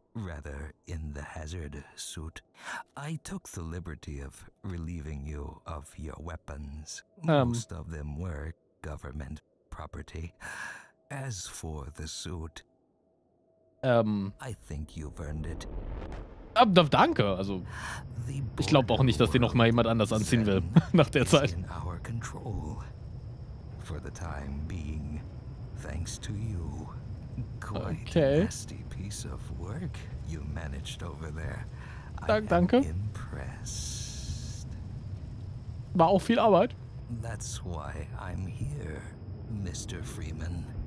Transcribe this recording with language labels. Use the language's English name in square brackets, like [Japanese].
[English] rather in the hazard suit. I took the liberty of relieving you of your weapons. Most of them were government property. As for the suit, I think you've earned it. [German] Danke, also ich glaube auch nicht, dass den noch mal jemand anders anziehen will nach der Zeit. [English] In our control. For the time being, thanks to you. Quite a nasty piece of work you managed over there. [German] Danke. [English] Impressed. [German] War auch viel Arbeit. [English] That's why I'm here, Mr. Freeman.